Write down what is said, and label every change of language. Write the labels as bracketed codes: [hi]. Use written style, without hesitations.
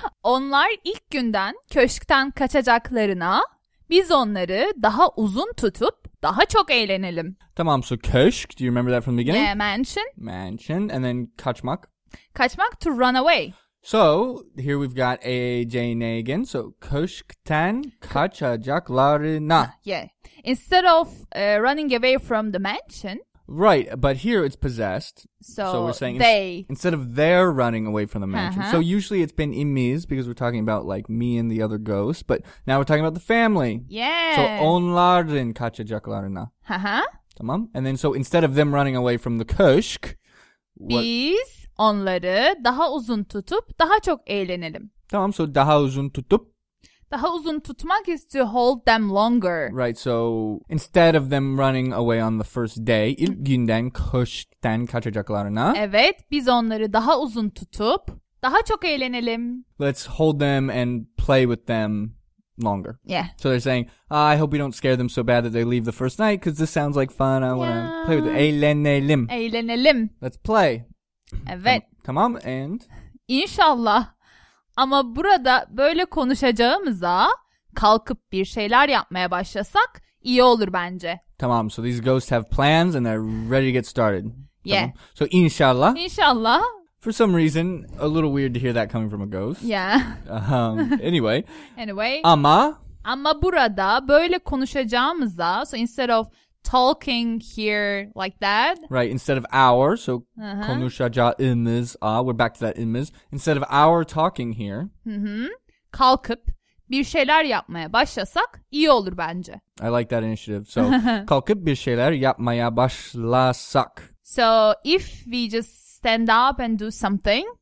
[tr] Onlar ilk günden köşkten kaçacaklarına biz onları daha uzun tutup daha çok eğlenelim. [en] Tamam, so köşk, do you remember that from the beginning? Yeah, mansion. Mansion, and then kaçmak. Kaçmak, to run away. So, here we've got eceğine again. So, [tr] köşkten kaçacaklarına. [en] Yeah. Instead of running away from the mansion. Right, but here it's possessed. So we're saying they. Instead of their running away from the mansion. Uh-huh. So, usually it's been imiz because we're talking about like me and the other ghost. But now we're talking about the family. Yeah. [tr] So, onların kaçacaklarına. Uh-huh. Tamam. [en] And then, so instead of them running away from the köşk. [tr] Biz. Onları daha uzun tutup daha çok eğlenelim. Tamam, so daha uzun tutup. Daha uzun tutmak [en] is to hold them longer. Right, so instead of them running away on the first day, [tr] ilk günden köşkten kaçacaklarına. Evet, biz onları daha uzun tutup daha çok eğlenelim. [en] Let's hold them and play with them longer. Yeah. So they're saying, oh, I hope we don't scare them so bad that they leave the first night because this sounds like fun. I want to play with them. [tr] Eğlenelim. Eğlenelim. [en] Let's play. [tr] Evet. [en] Tamam, and? [tr] İnşallah. Ama burada böyle konuşacağımıza kalkıp bir şeyler yapmaya başlasak iyi olur bence. [en] Tamam, so these ghosts have plans and they're ready to get started. Yeah. [tr] Tamam. So inşallah. İnşallah. [en] For some reason, a little weird to hear that coming from a ghost. Yeah. Anyway. Anyway. [tr] Ama. Ama burada böyle konuşacağımıza, [en] so instead of talking here like that. Right, instead of our, so konuşacağımız, we're back to that imiz. Instead of our talking here. Mm-hmm. [tr] Kalkıp bir şeyler yapmaya başlasak iyi olur bence. [en] I like that initiative. So, [tr] kalkıp bir şeyler yapmaya başlasak. [en] So, if we just stand up and do something.